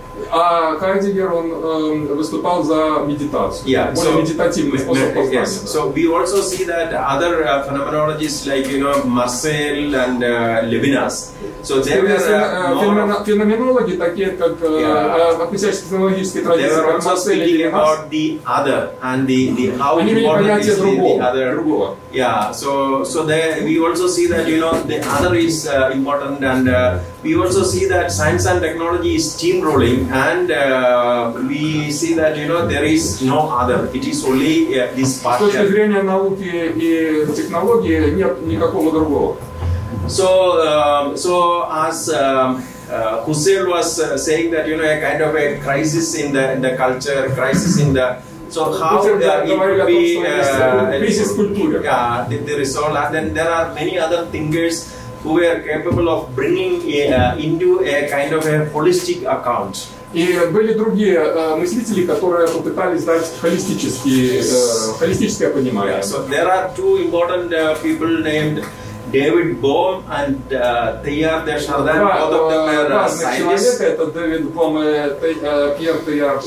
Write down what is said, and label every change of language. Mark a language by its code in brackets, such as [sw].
[ru] А Хайдеггер, он выступал за медитацию. [en] Yeah, [ru] более медитативный способ познания. [en] Yes. So we also see that other phenomenologists like, you know, Marcel and Levinas. So [ru] феноменологи такие как относящиеся к феноменологической традиции, как Марсель и Левинас. [en] The other and the how [ru] они [en] important is [ru] другого, [en] the other. [ru] Другого. [en] Yeah. So there we also see that, you know, the other is important, and we also see that science and technology is steamrolling, and we see that, you know, there is no other. It is only this part. [ru] С точки зрения науки и технологии нет никакого другого. [en] So as Husserl was saying that, you know, a kind of a crisis in the culture, crisis in the. So how there are many other thinkers who were capable of bringing into a kind of a holistic account. [ru] И были другие мыслители, которые попытались дать холистическое понимание. [en] Yeah, so there are two important people named David Bohm and Teilhard de Chardin. Both of them are scientists. [ru] Это Дэвид Бом и Пьер Теилхард.